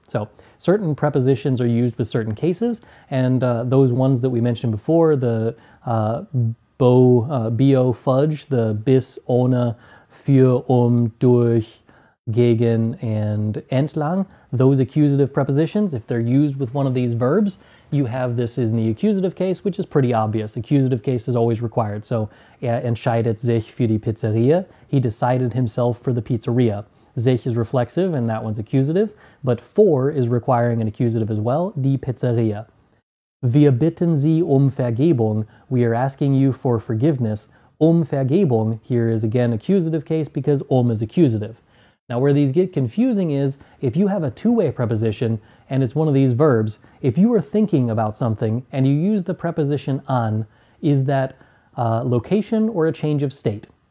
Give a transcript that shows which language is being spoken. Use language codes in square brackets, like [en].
[en] So certain prepositions are used with certain cases, and those ones that we mentioned before, the bo fudge, the bis, ohne, für, durch, gegen, and entlang, those accusative prepositions, if they're used with one of these verbs, you have this in the accusative case, which is pretty obvious. Accusative case is always required. [de] So, er entscheidet sich für die Pizzeria. [en] He decided himself for the pizzeria. Sich is reflexive, and that one's accusative. But for is requiring an accusative as well, [de] die Pizzeria. Wir bitten Sie Vergebung. [en] We are asking you for forgiveness. Vergebung here is again accusative case because is accusative. Now, where these get confusing is, if you have a two-way preposition, and it's one of these verbs, if you are thinking about something, and you use the preposition an, is that a location or a change of state?